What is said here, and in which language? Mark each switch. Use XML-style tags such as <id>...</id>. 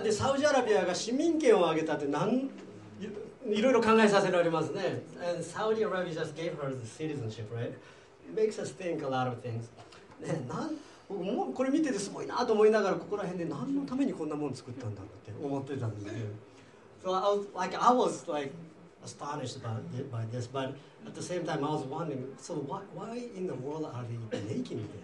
<ja>で、サウジアラビアが市民権をあげたってなん。いろいろ考えさせられますね。</ja> <en>And Saudi Arabia just gave her the citizenship, right? It makes us think a lot of things.</en> <ja>ね、もうこれ見ててすごいなと思いながらここら辺で何のためにこんなもの作ったんだって思ってたんですね。</ja> <en>So I was astonished by this, but at the same time I was wondering, so why in the world are they making this?</en>